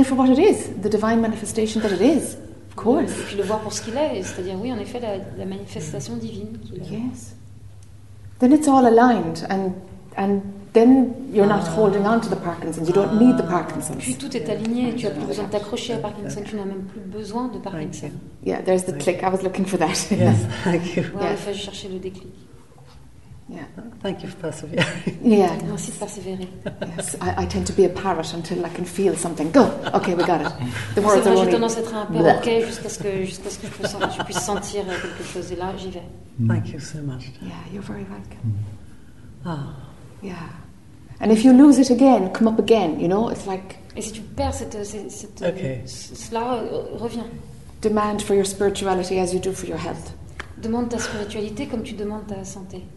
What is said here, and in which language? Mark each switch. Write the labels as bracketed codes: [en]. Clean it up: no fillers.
[en] it for what it is, the divine manifestation that it is. [fr] Et puis le voir pour ce qu'il est, c'est-à-dire oui, en effet, la manifestation divine. [en] Yes. Then it's all aligned, and then you're not holding on to the Parkinson's. You don't need the Parkinson's. [fr] Puis tout est aligné. Tu n'as plus besoin de t'accrocher à Parkinson. Tu n'as même plus besoin de Parkinson. [en] Yeah, there's the click. I was looking for that. Yes, thank you. [fr] Ouais, enfin, je cherchais le déclic. [en] Yeah. Thank you for persevering. Yeah. [fr] Merci de persévérer. [en] Yes. I tend to be a parrot until I can feel something. Go. Okay, we got it. The words are only. [fr] J'ai tendance à être un parrot. Okay, jusqu'à ce que je puisse sentir quelque chose. Et là, j'y vais. [en] Thank you so much. Yeah, you're very welcome. Ah. Yeah. And if you lose it again, come up again. You know, it's like. [fr] Et si tu perds cette [en] okay. [fr] Cela revient. [en] Demand for your spirituality as you do for your health. [fr] Demande ta spiritualité comme tu demandes ta santé.